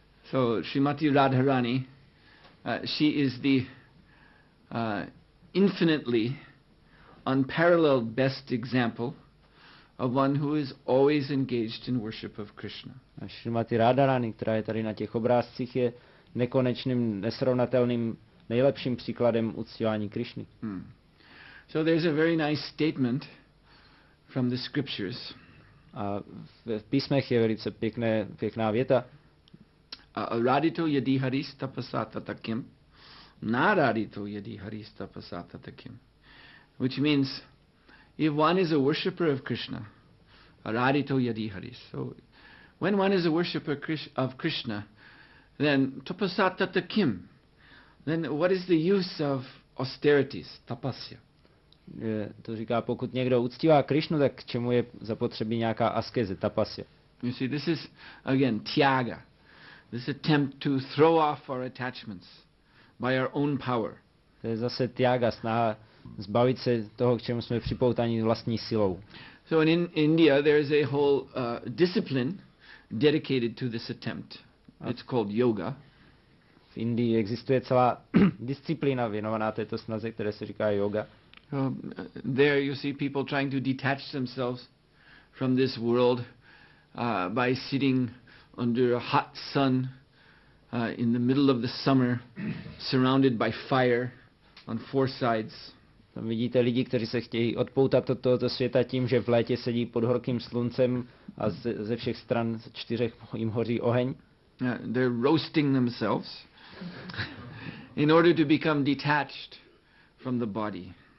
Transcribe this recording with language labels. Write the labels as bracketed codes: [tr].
[en] So Srimati Radharani, she is the infinitely unparalleled best example of one who is always engaged in worship of Krishna. [cs] A Srimati Radharani, která je tady na těch obrázcích, je nekonečným, nesrovnatelným, nejlepším příkladem uctívání Krišny. [en] So there's a very nice statement from the scriptures. [cs] A v písmech je velice pěkná věta. [sa] Radito yadi harista pasata takim, na radito yadi harista pasata takim, [en] which means if one is a worshipper of Krishna, [sa] radito yadi haris. [en] So when one is a worshipper of Krishna, then [sa] tapasata takim, [en] then what is the use of austerities, tapasya? [cs] To říká, pokud někdo uctívá Krišnu, tak k čemu je zapotřebí nějaká askeze, tapasya? [en] You see, this is again tyaga. This attempt to throw off our attachments by our own power. [cs] To je zase tyaga, snaha zbavit se toho, k čemu jsme připoutáni vlastní silou. [en] So in India there is a whole discipline dedicated to this attempt. It's called yoga. [cs] V Indii existuje celá disciplína věnovaná této snaze, která se říká yoga. [en] There you see people trying to detach themselves from this world by sitting under a hot sun in the middle of the summer, surrounded by fire on four sides. [cs] Tam vidíte lidi, kteří se chtějí odpoutat od tohoto světa tím, že v létě sedí pod horkým sluncem a ze všech stran čtyřech jim hoří oheň. [en] They're roasting themselves in order to become detached from the body.